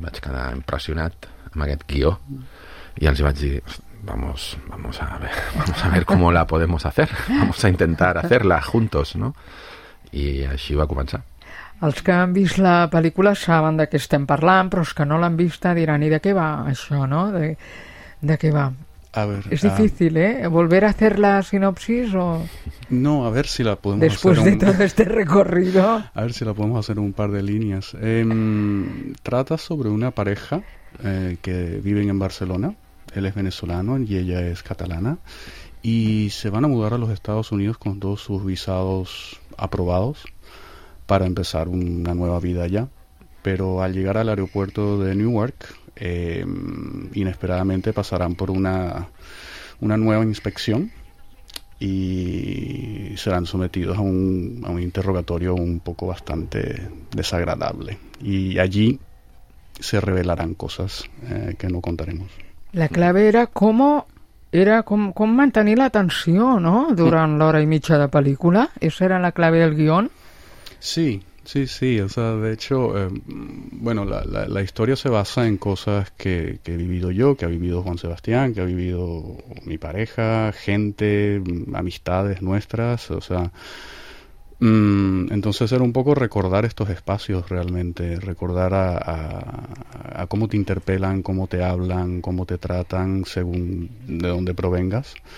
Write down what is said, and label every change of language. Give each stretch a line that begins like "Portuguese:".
Catalan: Em vaig quedar impressionat amb aquest guió i els vaig dir:
Spanish: vamos a ver cómo la podemos hacer, vamos a intentar hacerla juntos,
Catalan: no? I així va començar. Els que han vist la pel·lícula saben de què estem parlant, però els que no l'han vista diran: i de què va això, no? De què va?
Spanish: A ver,
Catalan: És difícil, eh?
Spanish: Volver a hacer la sinopsis o... no, a ver si la podemos hacer Después de todo este recorrido... a ver si la podemos hacer un par de líneas. Trata sobre una pareja que viven en Barcelona. Él es venezolano y ella es catalana. Y se van a mudar a los Estados Unidos con todos sus visados aprobados para empezar una nueva vida allá. Pero al llegar al aeropuerto de Newark, inesperadamente pasarán por una nueva inspección y serán sometidos a un interrogatorio un poco bastante desagradable. Y allí se revelarán cosas que no contaremos.
Catalan: La clave era com mantenir l'atenció, no? Durant l'hora i mitja de pel·lícula.
Spanish: Esa era la clave del guion. Sí. O sea, de hecho, bueno, la historia se basa en cosas que he vivido yo, que ha vivido Juan Sebastián, que ha vivido mi pareja, gente, amistades nuestras. O sea, entonces era un poco recordar estos espacios realmente, recordar a cómo te interpelan, cómo te hablan, cómo te tratan según de dónde provengas.